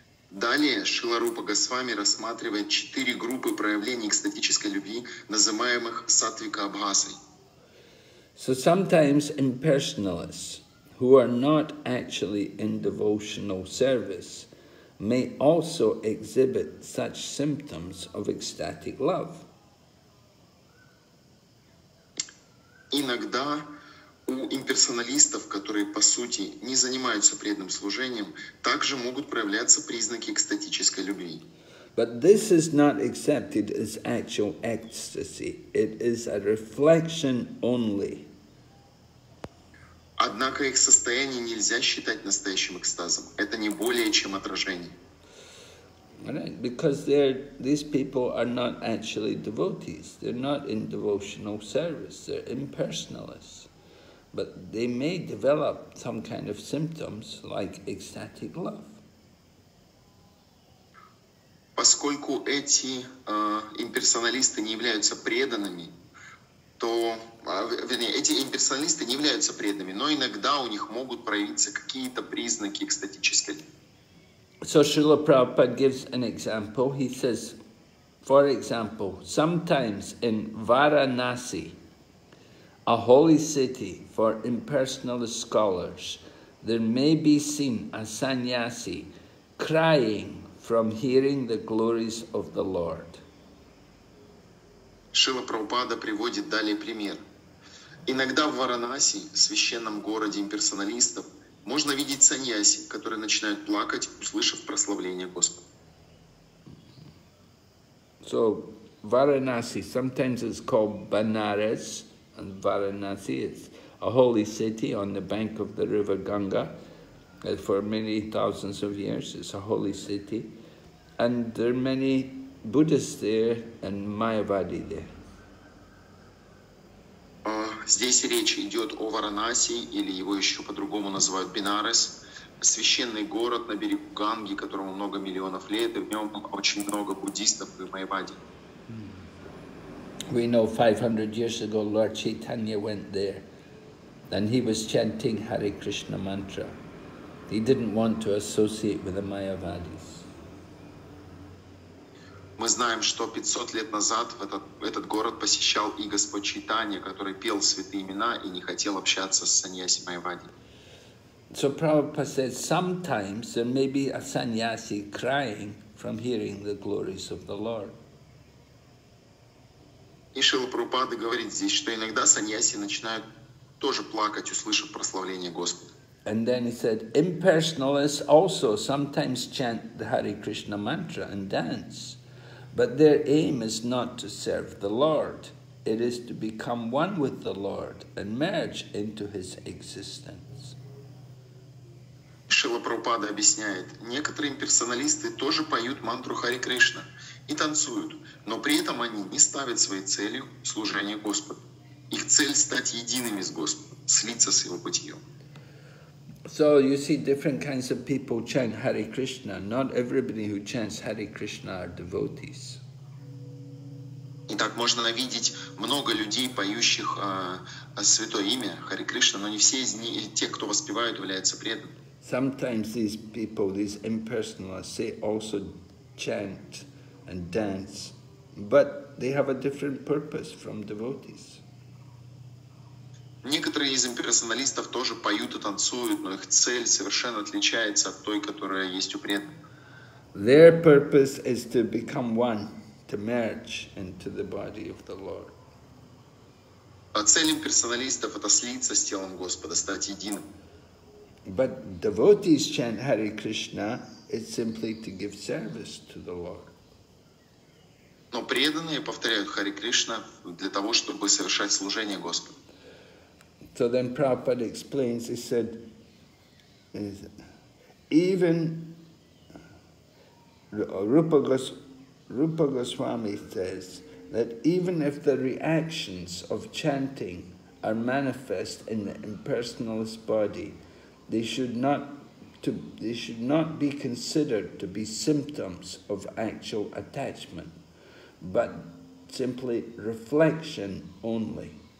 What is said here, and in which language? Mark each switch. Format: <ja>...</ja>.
<ru>Далее Srila Rupa Goswami рассматривает четыре группы проявлений экстатической любви, называемых Sattvika Abhasai.</ru> <en>So sometimes impersonalists who are not actually in devotional service may also exhibit such symptoms of ecstatic love.</en> <ru>Иногда у имперсоналистов, которые по сути не занимаются преданным служением, также могут проявляться признаки экстатической любви.</ru> <en>But this is not accepted as actual ecstasy. It is a reflection only.</en> <ru>Однако их состояние нельзя считать настоящим экстазом. Это не более чем отражение.</ru> <en>Right, because these people are not actually devotees. They're not in devotional service. They're impersonalists. But they may develop some kind of symptoms like ecstatic love.</en> <ru>Поскольку эти имперсоналисты не являются преданными, эти имперсоналисты не являются преданными, но иногда у них могут проявиться какие-то признаки экстатической любви.</ru> <en>So Srila Prabhupada gives an example. He says, for example, sometimes in Varanasi, a holy city for impersonalist scholars, there may be seen a sannyasi crying from hearing the glories of the Lord.</en> <ru>Шрила Прабхупада приводит далее пример. Иногда в Варанаси, священном городе имперсоналистов, можно видеть саньяси, которые начинают плакать, услышав прославление Господа.</ru> <en>So, Varanasi, sometimes it's called Banaras, and Varanasi is a holy city on the bank of the river Ganga. And for many thousands of years, it's a holy city. And there are many Buddhists there and Mayavadi there.</en> <ru>Здесь речь идет о Варанаси, или его еще по-другому называют Бинарес, священный город на берегу Ганги, которому много миллионов лет, и в нем очень много буддистов и Майвади.</ru> <en>We know 500 years ago Lord Chaitanya went there, and he was chanting Hare Krishna mantra. He didn't want to associate with the Mayavadis.</en> <ru>Мы знаем, что 500 лет назад этот город посещал и Господь Чайтанья, который пел святые имена и не хотел общаться с саньяси Майвади.</ru> <en>So Prabhupada says, sometimes there may be a sannyasi crying from hearing the glories of the Lord.</en> <ru>И Шрила Прабхупада говорит здесь, что иногда саньяси начинают тоже плакать, услышав прославление Господа.</ru> <en>And then he said, impersonalists also sometimes chant the Hare Krishna mantra and dance. But their aim is not to serve the Lord. It is to become one with the Lord and merge into His existence.</en> <ru>Шрила Прабхупада объясняет, некоторые имперсоналисты тоже поют мантру Хари Кришна и танцуют, но при этом они не ставят своей целью служение Господу. Их цель — стать едиными с Господом, слиться с Его бытием.</ru> <en>So you see different kinds of people chant Hare Krishna. Not everybody who chants Hare Krishna are devotees.</en> <ru>Итак, можно видеть много людей, поющих святое имя Харе Кришна, но не все из них, те, кто воспевают, являются преданными.</ru> <en>Sometimes these people, these impersonalists, they also chant and dance, but they have a different purpose from devotees.</en> <ru>Некоторые из имперсоналистов тоже поют и танцуют, но их цель совершенно отличается от той, которая есть у преданных.</ru> <en>Their purpose is to become one, to merge into the body of the Lord.</en> <ru>А цель имперсоналистов — это слиться с телом Господа, стать единым.</ru> <en>But devotees chant Hare Krishna, it's simply to give service to the Lord.</en> <ru>Но преданные повторяют Харе Кришна для того, чтобы совершать служение Господу.</ru> <en>So then Prabhupada explains, he said, even Rupa Goswami says that even if the reactions of chanting are manifest in the impersonalist body, they should not be considered to be symptoms of actual attachment, but simply reflection only.</en>